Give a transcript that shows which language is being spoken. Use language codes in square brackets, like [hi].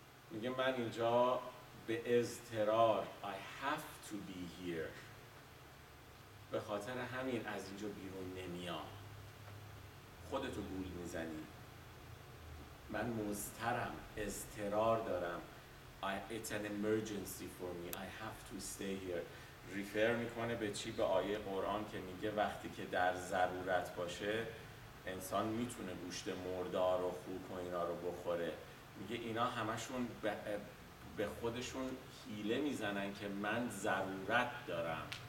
[fa] میگه من اینجا به اضطرار [en] I have to be here، [fa] به خاطر همین از اینجا بیرون نمیام. خودتو گول میزنی، من مضطرم، اضطرار دارم. [en] It's an emergency for me، I have to stay here. [fa] ریفر میکنه به چی؟ به آیه قرآن که میگه وقتی که در ضرورت باشه انسان میتونه گوشت مردار و خوک و اینا رو بخوره. میگه اینا همشون به خودشون حیله میزنن که من ضرورت دارم.